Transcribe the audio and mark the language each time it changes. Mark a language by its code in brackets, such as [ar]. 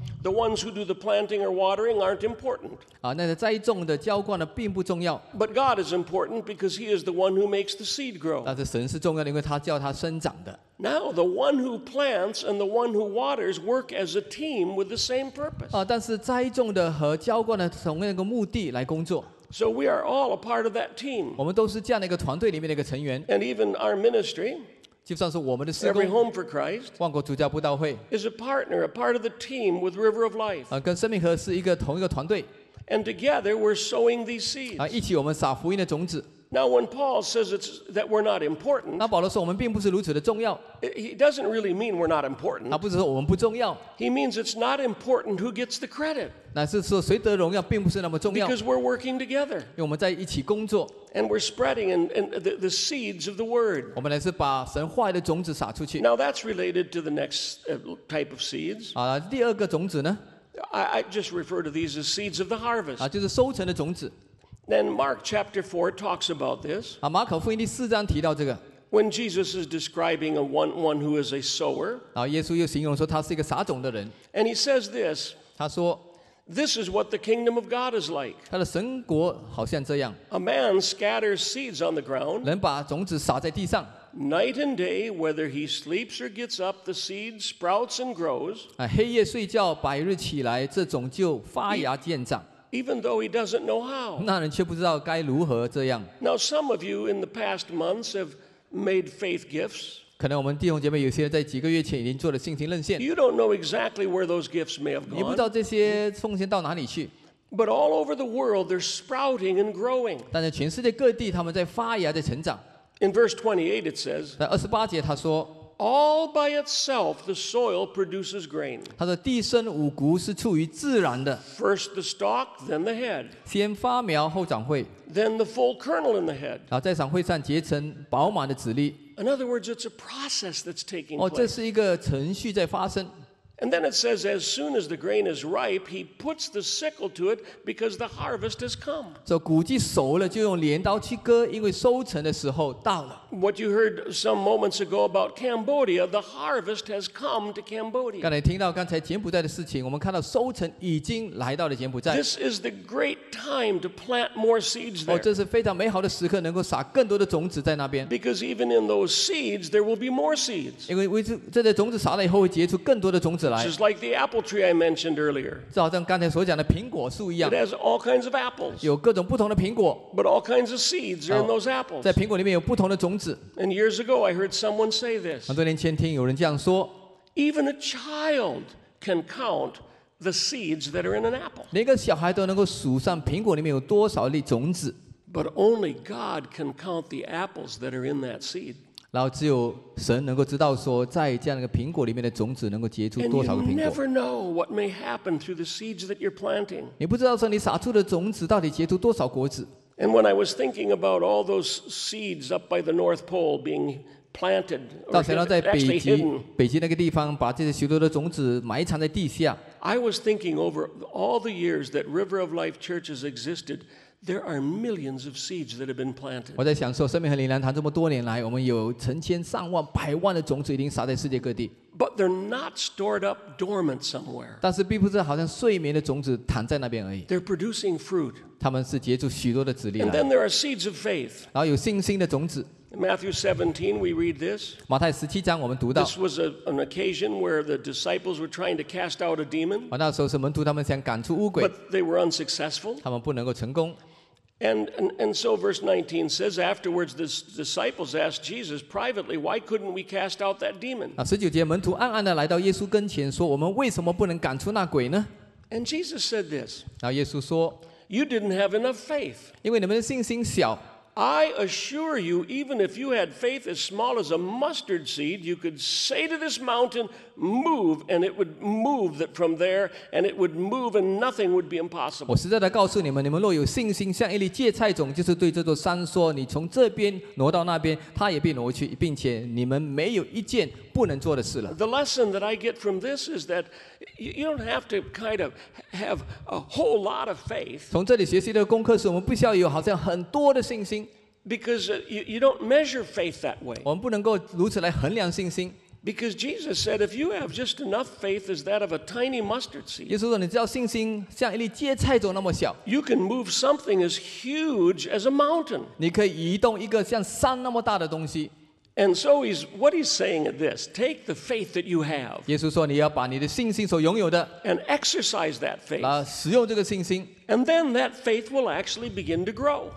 [en] The ones who do the planting or watering aren't important. [zh] 那个栽种的、浇灌的并不重要。 [en] But God is important because He is the one who makes the seed grow. [zh] 但是神是重要的，因为他叫它生长的。 [en] Now the one who plants and the one who waters work as a team with the same purpose. [zh] 但是栽种的和浇灌的同一个目的来工作。 [en] So we are all a part of that team. [zh] 我们都是这样的一个团队里面的一个成员。 [en] And even our ministry. [zh] 就算是我们的施工，万国主教布道会 [en] is a partner, a part of the team with River of Life. [zh] 跟生命河是一个同一个团队。 [en] And together we're sowing these seeds. [zh] 一起我们撒福音的种子。 [en] Now when Paul says it's that we're not important, [zh] 那保罗说我们并不是如此的重要。 [en] He doesn't really mean we're not important. [zh] 不是说我们不重要。 [en] He means it's not important who gets the credit. [zh] 那是说谁得荣耀并不是那么重要。 [en] Because we're working together. [zh] 因为我们在一起工作。 [en] And we're spreading the seeds of the word. [zh] 我们来是把神话语的种子撒出去。 [en] Now that's related to the next type of seeds. [zh] 第二个种子呢 [en] ？I just refer to these as seeds of the harvest. [zh] 就是收成的种子。 [en] Then Mark chapter 4 talks about this. [zh] 马可福音第四章提到这个。 [en] When Jesus is describing one who is a sower. [zh] 耶稣又形容说他是一个撒种的人。 [en] And he says this. [zh] 他说。 [en] This is what the kingdom of God is like. [zh] 他的神国好像这样。 [en] A man scatters seeds on the ground. [zh] 人把种子撒在地上。 [en] Night and day, whether he sleeps or gets up, the seed sprouts and grows. [zh] 黑夜睡觉，白日起来，这种就发芽见长。 [en] Even though he doesn't know how. [zh] 那人却不知道该如何这样。 [en] Now some of you in the past months have made faith gifts. [zh] 可能我们弟兄姐妹有些人在几个月前已经做了信心认献。 [en] You don't know exactly where those gifts may have gone. [zh] 你不知道这些奉献到哪里去。 [en] But all over the world they're sprouting and growing. [zh] 但在全世界各地他们在发芽在成长。 [en] In verse 28 it says. [zh] 在二十八节他说。 [en] All by itself, the soil produces grain. [zh] 它的地生五谷是出于自然的。 [en] First the stalk, then the head. [zh] 先发苗后长穗。 [en] Then the full kernel in the head. [zh] 在长穗上结成饱满的籽粒。 [en] In other words, it's a process that's taking place. [zh] 这是一个程序在发生。 [en] And then it says, as soon as the grain is ripe, he puts the sickle to it because the harvest has come. [zh] 谷季熟了，就用镰刀去割，因为收成的时候到了。 [en] what you heard some moments ago about Cambodia, the harvest has come to Cambodia. [zh] 刚才听到刚才柬埔寨的事情，我们看到收成已经来到了柬埔寨。 [en] This is the great time to plant more seeds there. [zh] 这是非常美好的时刻，能够撒更多的种子在那边。 [en] Because even in those seeds, there will be more seeds. [zh] 因为这些种子撒了以后，会结出更多的种子来。 [en] Just like the apple tree I mentioned earlier. [zh] 就好像刚才所讲的苹果树一样。 [en] It has all kinds of apples. [zh] 有各种不同的苹果。 [en] But all kinds of seeds are in those apples. [zh] 在苹果里面有不同的种子。 [en] And years ago, I heard someone say this. [zh] 很多年前听有人这样说。 [en] Even a child can count the seeds that are in an apple. [zh] 连个小孩都能够数上苹果里面有多少粒种子。 [en] But only God can count the apples that are in that seed. [zh] 然后只有神能够知道说，在这样一个苹果里面的种子能够结出多少个苹果。 [en] And you never know what may happen through the seeds that you're planting. [zh] 你不知道说你撒出的种子到底结出多少果子。 [en] And when I was thinking about all those seeds up by the North Pole being planted, I was thinking over all the years that River of Life Church has existed, there are millions of seeds that have been planted. [zh] 我在想说，生命和灵粮堂这么多年来，我们有成千上万、百万的种子已经撒在世界各地。 [en] But they're not stored up dormant somewhere. [zh] 但是并不是好像睡眠的种子躺在那边而已。 [en] They're producing fruit. [zh] 他们是结出许多的籽粒来。 [en] And then there are seeds of faith. [zh] 然后有信心的种子。 [en] In Matthew 17, we read this. [zh] 马太十七章我们读到。 [en] This was an occasion where the disciples were trying to cast out a demon. [zh] 那时候是门徒他们想赶出巫鬼。 [en] But they were unsuccessful. [zh] 他们不能够成功。 [en] And so verse 19 says, afterwards the disciples asked Jesus privately, why couldn't we cast out that demon? [zh] 十九节门徒暗暗地来到耶稣跟前说，我们为什么不能赶出那鬼呢？ [en] And Jesus said this. [zh] 然后耶稣说， [en] You didn't have enough faith. [zh] 因为你们的信心小。 [en] I assure you, even if you had faith as small as a mustard seed, you could say to this mountain, move, and it would move that from there, and it would move, and nothing would be impossible. [zh] 我实在地告诉你们，你们若有信心像一粒芥菜种，就是对这座山说，你从这边挪到那边，它也必挪去，并且你们没有一件不能做的事了。 [en] The lesson that I get from this is that you don't have to kind of have a whole lot of faith. [zh] 从这里学习的功课是我们不需要有好像很多的信心。 [en] Because you don't measure faith that way. [zh] 我们不能够如此来衡量信心。 [en] Because Jesus said, if you have just enough faith as that of a tiny mustard seed, [zh] 耶稣说你只要信心像一粒芥菜种那么小， [en] you can move something as huge as a mountain. [zh] 你可以移动一个像山那么大的东西。 [en] And so what he's saying is this, take the faith that you have. [zh] 耶稣说你要把你的信心所拥有的， [en] and exercise that faith. [zh] 然后使用这个信心。 [en] And then that faith will actually begin to grow.